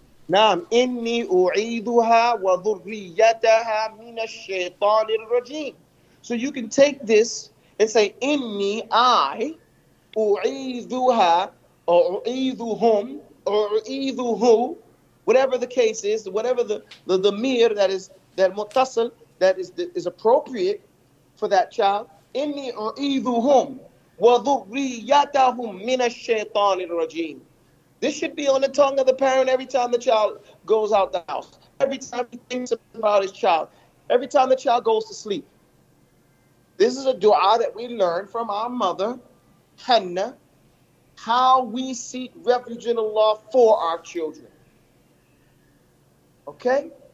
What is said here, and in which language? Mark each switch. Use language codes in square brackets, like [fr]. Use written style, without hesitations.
[ar] نعم إني أعيدها وذريتها من الشيطان الرجيم. [en] So you can take this and say [ar] إني [en] I [ar] أعيدها أعيدهم أعيده, [en] whatever the case is, whatever the mir that is that متصل that is the, is appropriate for that child. [ar] إني أعيدهم وذريتهم من الشيطان الرجيم. [en] This should be on the tongue of the parent every time the child goes out the house, every time he thinks about his child, every time the child goes to sleep. This is a dua that we learn from our mother, Hannah, how we seek refuge in Allah for our children. Okay?